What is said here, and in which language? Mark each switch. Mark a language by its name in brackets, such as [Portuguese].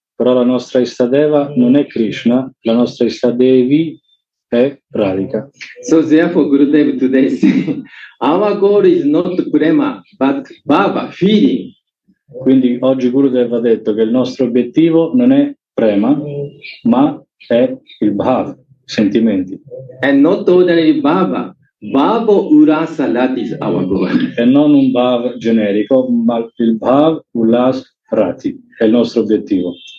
[Italian] Però la nostra Ishtadeva non è Krishna, la nostra Ishtadevi è Radhika. [English] So therefore Gurudev today says, our goal is not prema, but bhava, feeling. [Italian] Quindi oggi Gurudev ha detto che il nostro obiettivo non è prema, ma è il bhava, sentimenti. [English] And not ordinary bhava, bhava urasa, that is our goal. [Italian] E non un bhava generico, ma il bhava ulas prati, è il nostro obiettivo.